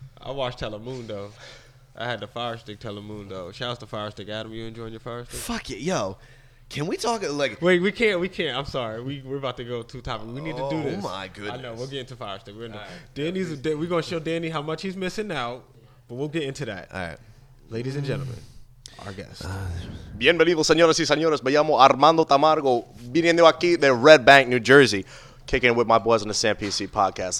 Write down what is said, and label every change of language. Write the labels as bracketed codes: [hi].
[en] I watched Telemundo. I had the Fire Stick Telemundo. Shout out to Fire Stick. Adam, you enjoying your Fire Stick? Fuck it. Yo, can we talk? Like, wait, we can't. We can't. I'm sorry. We're about to go to topic. We need to do this. Oh, my goodness. I know. We'll get into Fire Stick. We're going to show Danny how much he's missing out, but we'll get into that. All right. Ladies and gentlemen. Our guest. [es] Bienvenidos, señoras y señores. Me llamo Armando Tamargo, viniendo aquí de Red Bank, New Jersey. [en] kicking with my boys on the Sam PC podcast.